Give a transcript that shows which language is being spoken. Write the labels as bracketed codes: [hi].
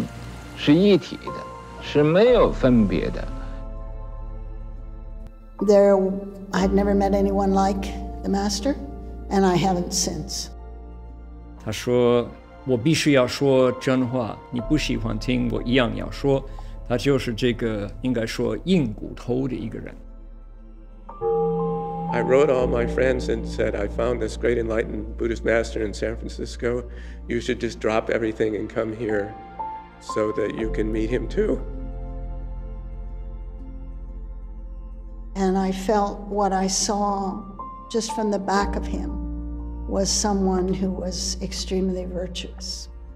[zh] 佛教就是智慧教，也叫众生教，因为佛呀和众生是一体的，是没有分别的。 [en] There, I had never met anyone like the master, and I haven't since. [zh] 他说，我必须要说真话，你不喜欢听，我一样要说。他就是这个应该说硬骨头的一个人。I [en] wrote all my friends and said, I found this great enlightened Buddhist master in San Francisco. You should just drop everything and come here so that you can meet him too. And I felt what I saw just from the back of him was someone who was extremely virtuous.